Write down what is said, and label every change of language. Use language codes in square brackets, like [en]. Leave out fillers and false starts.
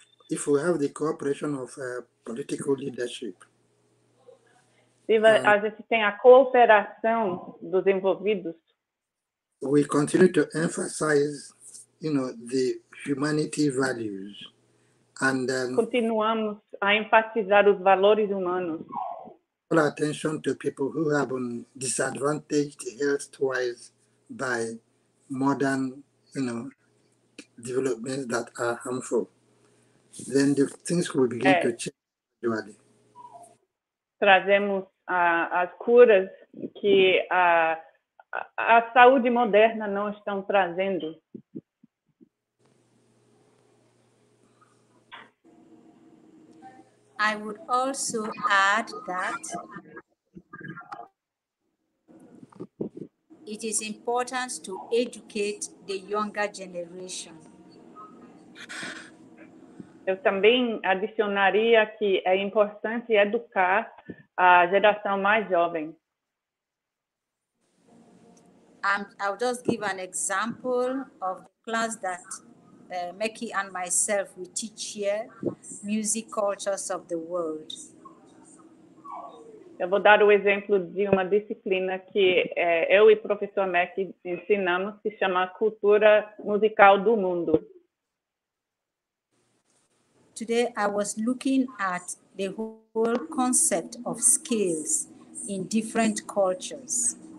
[en] If we have the cooperation of political leadership. [pt] Se a gente tem a cooperação dos envolvidos. [en] We continue to emphasize, you know, the humanity values. And [pt] continuamos a enfatizar os valores humanos. [en] Pay attention to people who have been disadvantaged health-wise by modern, you know, developments that are harmful. Then the things will begin to change gradually. [pt] Trazemos as curas que a saúde moderna não estão trazendo. [en] I would also add that it is important to educate the younger generation. [pt] Eu também adicionaria que é importante educar a geração mais jovem. [en] I'll just give an example of the class that Mackie and myself, we teach here, music cultures of the world. [pt] Eu vou dar o exemplo de uma disciplina que eu e o professor Mackie ensinamos, que chama Cultura Musical do Mundo. [en] Today I was looking at the whole concept of skills in different cultures.